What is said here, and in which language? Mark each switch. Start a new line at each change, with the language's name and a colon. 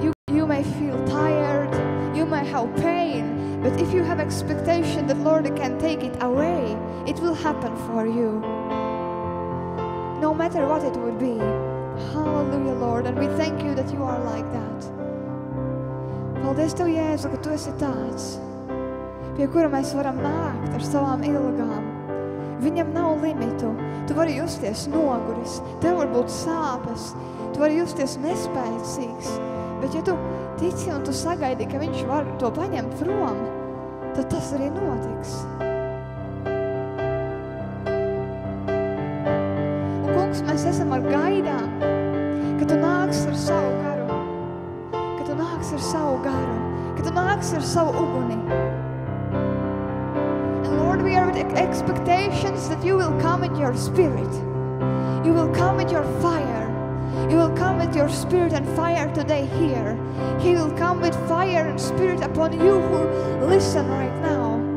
English: You may feel tired, you may have pain, but if you have expectation that Lord can take it away, it will happen for you. No matter what it would be. Hallelujah, Lord. And we thank you that you are like that.
Latvian: Paldies Tev, Jēzu, ka Tu esi tāds, pie kura mēs varam nākt ar savām ilgām. Viņam nav limitu. Tu vari justies noguris. Tev var būt sāpes. Tu vari justies nespēcīgs. Bet ja Tu tici un Tu sagaidi, ka Viņš var to paņemt prom, tad tas arī notiks. Mēs esam ar gaidām, ka Tu nāks ar savu garu, ka Tu nāks ar savu garu, ka Tu nāks ar savu uguni.
English: And Lord, we are with expectations that You will come with Your Spirit. You will come with Your fire. You will come with Your Spirit and fire today here. He will come with fire and Spirit upon you who listen right now.